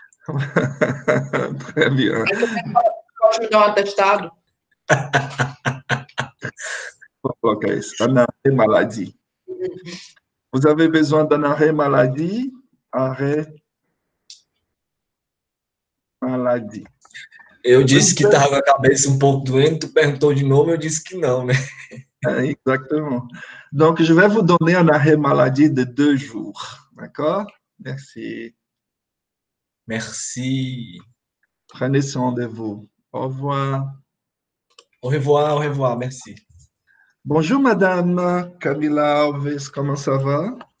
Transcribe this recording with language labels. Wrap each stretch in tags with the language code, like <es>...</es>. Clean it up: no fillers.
<fr>Très bien. Je vais prendre un attestado. Ok, c'est un arrêt maladie. Vous avez besoin d'un arrêt maladie? Arrêt maladie.</fr> <pt>Eu disse que estava com a cabeça um pouco doente, tu perguntou de novo, eu disse que não, né? É, exatamente.</pt> <fr>Donc, je vais vous donner un arrêt maladie de 2 jours, d'accord? Merci. Merci. Prenez ce rendez-vous. Au revoir. Au revoir, au revoir, merci. Bonjour, madame Camila Alves, comment ça va?</fr>